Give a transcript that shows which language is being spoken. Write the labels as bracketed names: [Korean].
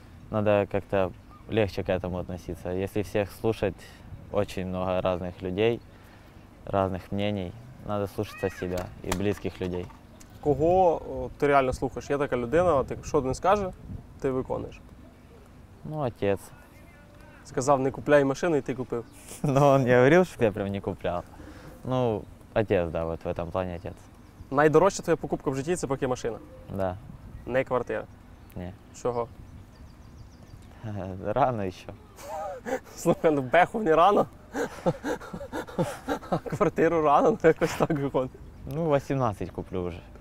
[Ukrainian] Треба як-то легше к этому відноситися. Якщо всіх слухати, дуже багато різних людей, різних мнений, треба слухати себе і близьких людей. Кого ти реально слухаєш? Є така людина, ти що не скаже, ти виконуєш. [Russian] Ну, отец. [Ukrainian] Сказав, не купляй машину, і ти купив. Ну, він не говорив, що я прям не купляв. [Russian] Ну, отец, да, от в этом плані отец. [Ukrainian] Найдорожча твоя покупка в житті – це поки машина? [Russian] Да. [Ukrainian] Не квартира? Ні. Чого? Рано ще. Слухай, ну беху не рано, а квартиру рано, ну якось так виходить. Ну, 18 куплю вже.